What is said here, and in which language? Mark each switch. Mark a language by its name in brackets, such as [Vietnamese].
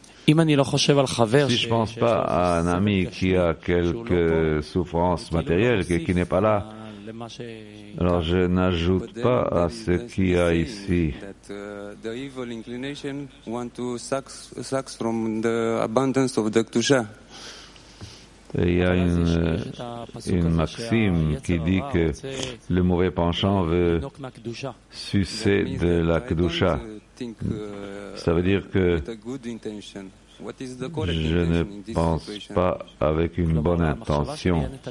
[French] Si je pense pas à un ami qui a quelques souffrances matérielles et qui n'est pas là, alors je n'ajoute pas à ce qu'il y a ici. [English] The evil inclination want to suck from the abundance of the Kedusha. [French] Il y a une maxime qui dit que le mauvais penchant veut sucer de la Kedusha. Ça veut dire que je ne pense pas avec une bonne intention.